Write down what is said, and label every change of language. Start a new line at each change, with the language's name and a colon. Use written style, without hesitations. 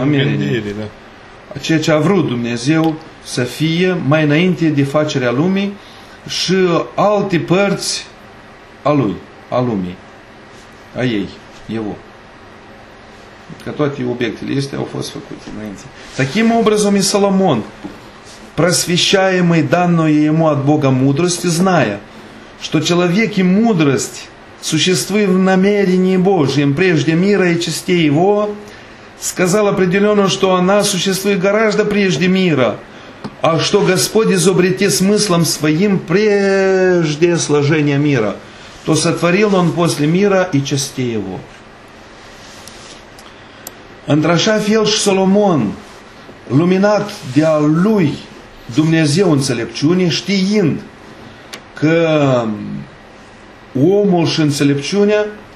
Russian: намерение,
Romanian: ceea ce a vrut Dumnezeu să fie mai înainte de facerea lumii și alte părți a lui, a lumii, a ei, его. Că toate obiectele acestea au fost făcute înainte.
Russian: Таким образом и Соломон, просвещаемый данной ему от Бога мудростью, зная, что человек и мудрость существуют в намерении Божьем прежде мира и частей его, сказал определенно, что она существует гораздо прежде мира, а что Господь изобрети смыслом своим прежде сложения мира, то сотворил он после мира и частей его.
Romanian: Într-așa fel și Соломон, luminat de a lui Dumnezeu înțelepciune, știind că omul și înțelepciunea